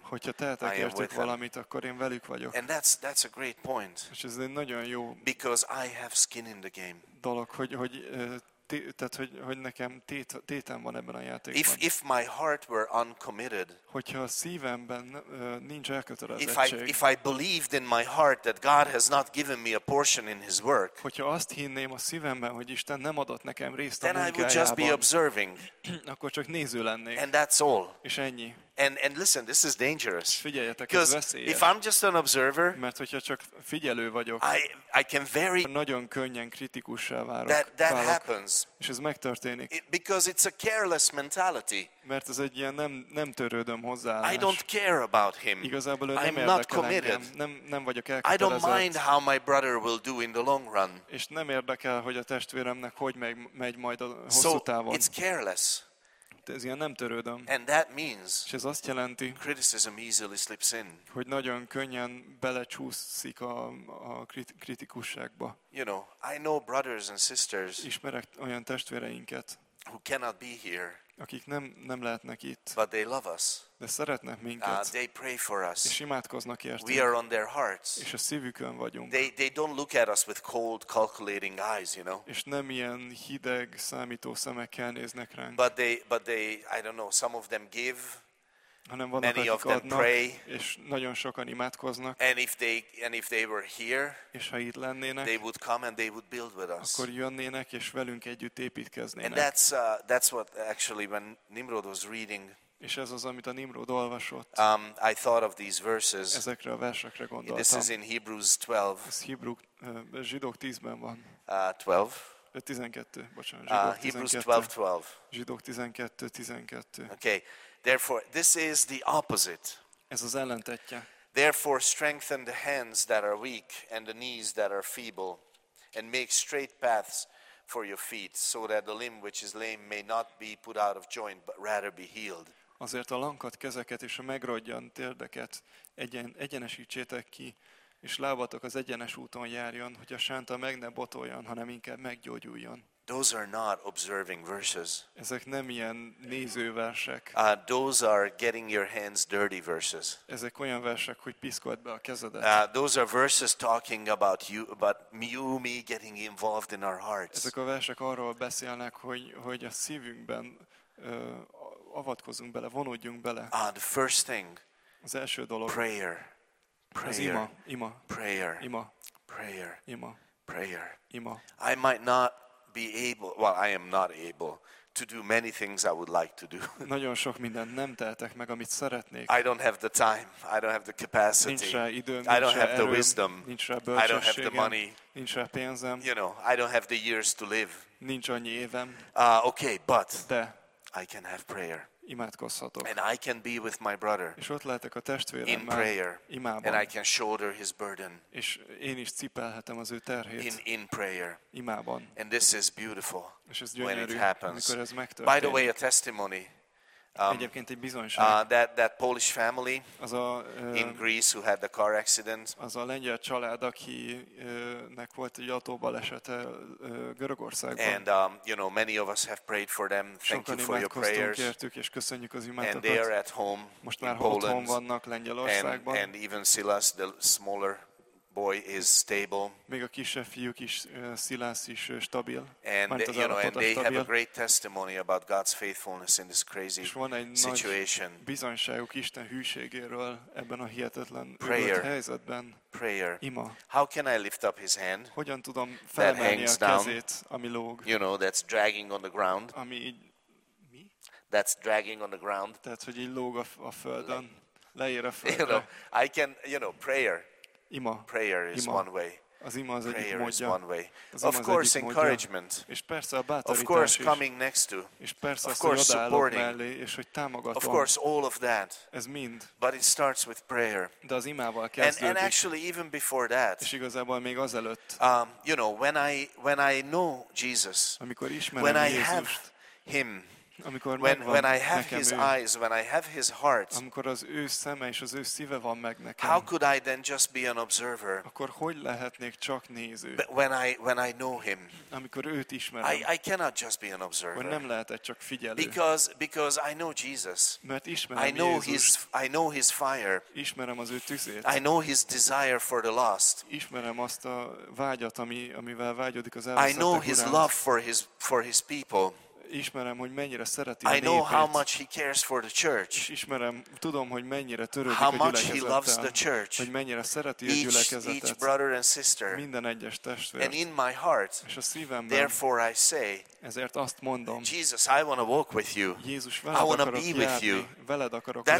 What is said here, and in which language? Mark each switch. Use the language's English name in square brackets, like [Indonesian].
[Hungarian] hogyha tehetek értük valamit, akkor én velük vagyok. [English] And that's a great point, [Hungarian] és ez egy nagyon jó, [English] because I have skin in the game. [Hungarian] Dolog, hogy nekem tétem van ebben a játékban. [English] If my heart were uncommitted, [Hungarian] hogyha a szívemben nincs elkötelezettség, [English] if I believed in my heart that God has not given me a portion in his work, [Hungarian] hogyha azt hinném a szívemben, hogy Isten nem adott nekem részt a munkájában, [English] then I would just be observing, [Hungarian] akkor csak néző lennék, [English] and that's all, [Hungarian] és ennyi. [English] And listen, this is dangerous. [Hungarian] Figyeljetek, ez veszélyes. [English] Because if I'm just an observer, [Hungarian] mert hogyha csak figyelő vagyok, [English] I can very [Hungarian] nagyon könnyen kritikussá válok. [English] That happens. [Hungarian] És ez megtörténik. [English] Because it's a careless mentality. [Hungarian] Mert ez egy ilyen nem törődöm hozzáállás. [English] I don't care about him. [Hungarian] Igazából [English] I'm not committed. [Hungarian] Nem vagyok elkötelezett. [English] I don't mind how my brother will do in the long run. [Hungarian] És nem érdekel, hogy a testvéremnek hogy megy majd a hosszú távon. [English] So it's careless. [Hungarian] Ez ilyen nem törődöm. [English] And that means, [Hungarian] és ez azt jelenti, [English] criticism easily slips in, [Hungarian] hogy nagyon könnyen belecsúszik a kritikusságba. [English] You know, I know brothers and sisters, [Hungarian] ismerek olyan testvéreinket, [English] who cannot be here, [Hungarian] akik nem lehetnek itt, [English] but they love us, [Hungarian] de szeretnek minket, [English] they pray for us, [Hungarian] és imádkoznak értünk, [English] we are on their hearts, [Hungarian] és a szívükön vagyunk. [English] They don't look at us with cold, calculating eyes, you know. [Hungarian] És nem ilyen hideg, számító szemekkel néznek ránk. [English] But they, I don't know, some of them give, [Hungarian] hanem vannak, [English] many of them [Hungarian] adnak, [English] pray, [Hungarian] és nagyon sokan imádkoznak. [English] And if they were here, [Hungarian] és ha itt lennének, [English] they would come and they would build with us. [Hungarian] Akkor jönnének és velünk együtt építkeznének. [English] And that's what actually when Nimrod was reading. [Hungarian] És ez az, amit a Nimrod olvasott. [English] I thought of these verses. [Hungarian] Ezekre a versekre gondoltam. [English] This is in Hebrews 12. [Hungarian] Ez Zsidók 10-ben van. 12. 12, bocsánat, [English] Hebrews 12:12. [Hungarian] Zsidók 12:12. [English] Okay. Therefore, this is the opposite. [Hungarian] Ez az ellentétje. [English] Therefore, strengthen the hands that are weak and the knees that are feeble, and make straight paths for your feet, so that the limb which is lame may not be put out of joint, but rather be healed. [Hungarian] Azért a lankat kezeket és a megrodjant térdeket egyenesítsétek ki, és lábatok az egyenes úton járjon, hogy a sánta meg ne botoljon, hanem inkább meggyógyuljon. [English] Those are not observing verses. [Hungarian] Ezek nem ilyen néző versek. [English] Those are getting your hands dirty verses. [Hungarian] Ezek olyan versek, hogy piszkold be a kezedet. [English] Those are verses talking about you, about you, me getting involved in our hearts. [Hungarian] Ezek a versek arról beszélnek, hogy a szívünkben avatkozunk bele, vonódjunk bele. [English] The first thing. [Hungarian] Az első dolog. [English] Prayer. Prayer. [Hungarian] Ima. [English] Prayer. [Hungarian] Ima. [English] Prayer. [Hungarian] Ima. [English] Prayer. [Hungarian] Ima. [English] I might not be able, well, I am not able to do many things I would like to do. [Hungarian] Nagyon sok mindent nem tehetek meg, amit szeretnék. [English] I don't have the time. I don't have the capacity. [Hungarian] Nincs rá idő, nincs, [English] I don't have the wisdom. [Hungarian] Nincs rá bölcsességem. [English] I don't have the money. [Hungarian] Nincs rá pénzem. [English] You know, I don't have the years to live. [Hungarian] Nincs annyi évem. [English] Okay, but [Hungarian] de [English] I can have prayer. [Hungarian] Imádkozhatok. [English] And I can be with my brother. [Hungarian] És ott lehetek a testvéremmel. [English] In prayer. [Hungarian] Imában. [English] And I can shoulder his burden. [Hungarian] És én is cipelhetem az ő terhét. [English] In prayer. [Hungarian] Imában. [English] And this is beautiful. [Hungarian] És ez gyönyörű, [English] when it happens. [Hungarian] Amikor ez megtörténik. [English] By the way, a testimony. [Hungarian] Egyébként egy bizonyság. [English] That Polish family, [Hungarian] az a, [English] in Greece, who had the car accident. [Hungarian] Az a lengyel család, akinek volt egy autóbalesete Görögországban. [English] And you know, many of us have prayed for them. Thank [Hungarian] Sokan [English] you for your prayers. [Hungarian] Sokan imádkoztunk értük, és köszönjük az imádatot. [English] And they are at home. [Hungarian] Most már otthon vannak Lengyelországban. [English] And even Silas, the smaller boy, is stable. [Hungarian] Még a kisebb fiúk is, Silas is stabil. [English] And the, you know, and they [Hungarian] stabil. [English] Have a great testimony about God's faithfulness in this crazy situation. [Hungarian] Bizonyságuk Isten hűségéről ebben a hihetetlen helyzetben. [English] Prayer. [Hungarian] Ima. [English] How can I lift up his hand? [Hungarian] Hogyan tudom felemelni a kezét, ami lóg? [English] You know, that's dragging on the ground. [Hungarian] Ami így, mi? [English] that's dragging on the ground. [Hungarian] Tehát, hogy így lóg a földön, leér a földre. You [English] know, I can, you know, prayer. [Hungarian] Ima. [English] Prayer is [Hungarian] ima. [English] One way. [Hungarian] Az ima az egyik [English] prayer [Hungarian] módja. [English] Is one way. Az of course, encouragement. [Hungarian] És persze a bátorítás [English] of course, is. Coming next to. [Hungarian] És persze [English] of course, [Hungarian] az, hogy odaállok mellé, és hogy támogatom. [English] Of course, all of that. [Hungarian] Ez mind. [English] But it starts with prayer. [Hungarian] De az imával kezdődik. [English] And actually, even before that. [Hungarian] És igazából még azelőtt. [English] You know, when I know Jesus. [Hungarian] Amikor ismerem [English] when [Hungarian] Jézust. [English] When I have him. [Hungarian] Amikor [English] when I have his eyes, when I have his heart, [Hungarian] amikor az ő szeme és az ő szíve van meg nekem, [English] how could I then just be an observer? [Hungarian] Akkor hogy lehetnék csak néző? [English] When I know him, [Hungarian] amikor őt ismerem, [English] I cannot just be an observer. [Hungarian] Nem lehetek csak figyelő. [English] Because I know Jesus. [Hungarian] Mert ismerem [English] Jézust. I know his fire. [Hungarian] Ismerem az ő tüzét. [English] I know his desire for the lost. [Hungarian] Ismerem azt a vágyat, amivel vágyodik az elveszettek. [English] I know his love for his people. [Hungarian] Ismerem, hogy mennyire szereti a népét. [English] I know how much he cares for the church. [Hungarian] Ismerem, tudom, hogy mennyire törődik a gyülekezettel. Hogy mennyire szereti a gyülekezetet. [English] Each brother and sister. [Hungarian] Minden egyes testvér. [English] And in my heart. [Hungarian] És a szívemben. [English] Therefore I say. [Hungarian] Ezért azt mondom. [English] Jesus, I want to walk with you. [Hungarian] Jézus, veled akarok járni. [English] I want to be with you. [Hungarian] Veled akarok lenni.